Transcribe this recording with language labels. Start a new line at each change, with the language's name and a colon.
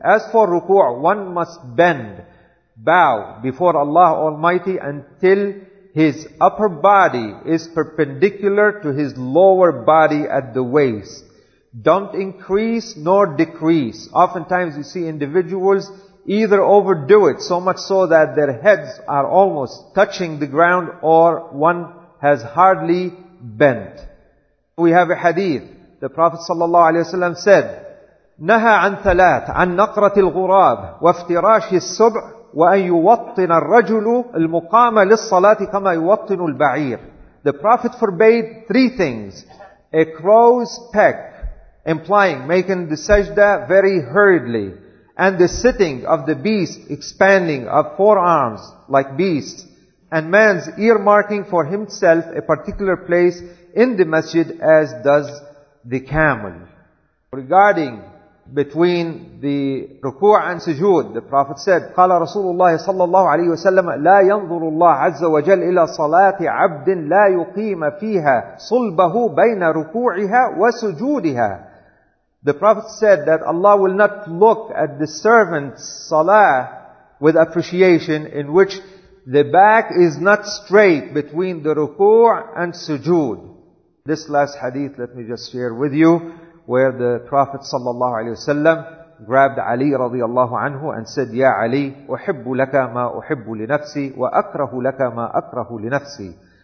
English: As for ruku', one must bend, bow before Allah Almighty until his upper body is perpendicular to his lower body at the waist. Don't increase nor decrease. Oftentimes you see individuals either overdo it, so much so that their heads are almost touching the ground, or one has hardly bent. We have a hadith. The Prophet ﷺ said,
Arabic: نَهَا عَنْ ثَلَاثَ عَنْ نَقْرَةِ الْغُرَابِ وَافْتِرَاشِ السُّبْعِ وَأَنْ يُوَطِّنَ الرَّجُلُ الْمُقَامَ لِلصَّلَاةِ كَمَا يُوَطِّنُ الْبَعِيرِ.
English: The Prophet forbade three things. A crow's peck, implying making the sajda very hurriedly, and the sitting of the beast, expanding of forearms like beasts, and man's earmarking for himself a particular place in the masjid, as does the camel. Regarding between the ruku' and sujood, the Prophet said,
Arabic: قال رسول الله صلى الله عليه وسلم لا ينظر الله عز وجل إلى صلاة عبد لا يقيم فيها صلبه بين ركوعها وسجودها.
English: The Prophet said that Allah will not look at the servant's salah with appreciation in which the back is not straight between the ruku' and sujood. This last hadith, let me just share with you, where the Prophet sallallahu alaihi wasallam grabbed Ali radiyallahu anhu and said,
Arabic: Ya Ali, uhibbu laka ma uhibbu li nafsi
English: wa akrahu laka ma akrahu li nafsi.